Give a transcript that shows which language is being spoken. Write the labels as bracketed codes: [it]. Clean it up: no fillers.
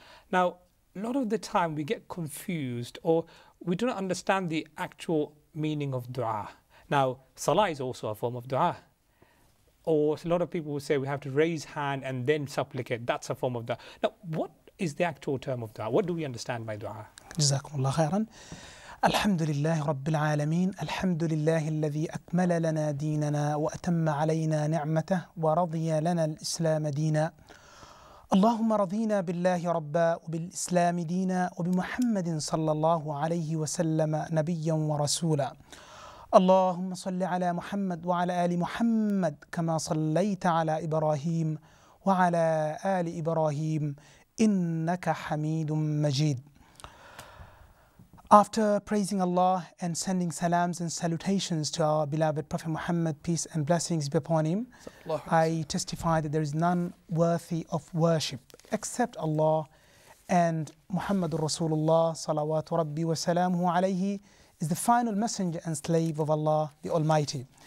[en] Now, a lot of the time we get confused or we do not understand the actual meaning of dua. Now, salah is also a form of dua. Or a lot of people will say we have to raise hand and then supplicate. That's a form of dua. Now, what is the actual term of dua? What do we understand by dua? [ar] Jazakumullah khairan. الحمد لله رب العالمين الحمد لله الذي أكمل لنا ديننا وأتم علينا نعمته ورضي لنا الإسلام دينا اللهم رضينا بالله ربا وبالإسلام دينا وبمحمد صلى الله عليه وسلم نبيا ورسولا اللهم صل على محمد وعلى آل محمد كما صليت على إبراهيم وعلى آل إبراهيم إنك حميد مجيد. [en] After praising Allah and sending salams and salutations to our beloved Prophet Muhammad, peace and blessings be upon him, I testify that there is none worthy of worship except Allah, and Muhammadur Rasulullah, [ar] salawatu rabbi wa salamu alayhi, [en] is the final messenger and slave of Allah, the Almighty.